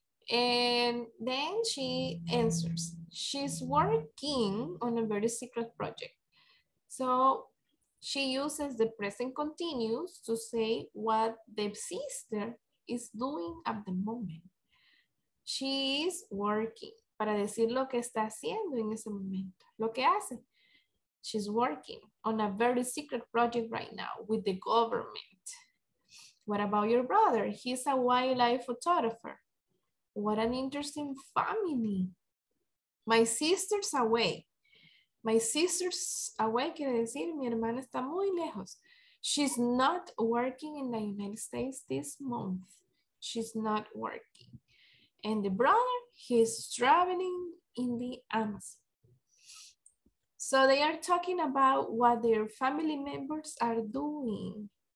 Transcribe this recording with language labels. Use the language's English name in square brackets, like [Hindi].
[English] And then she answers, she's working on a very secret project. So she uses the present continuous to say what the sister is doing at the moment. She is working. [Spanish] Para decir lo que está haciendo en ese momento. Lo que hace. [English] She's working on a very secret project right now with the government. What about your brother? He's a wildlife photographer. What an interesting family. My sister's away. My sister's away [Spanish] quiere decir mi hermana está muy lejos. [English] She's not working in the United States this month. She's not working. And the brother, he's traveling in the Amazon. So they are talking about what their family members are doing.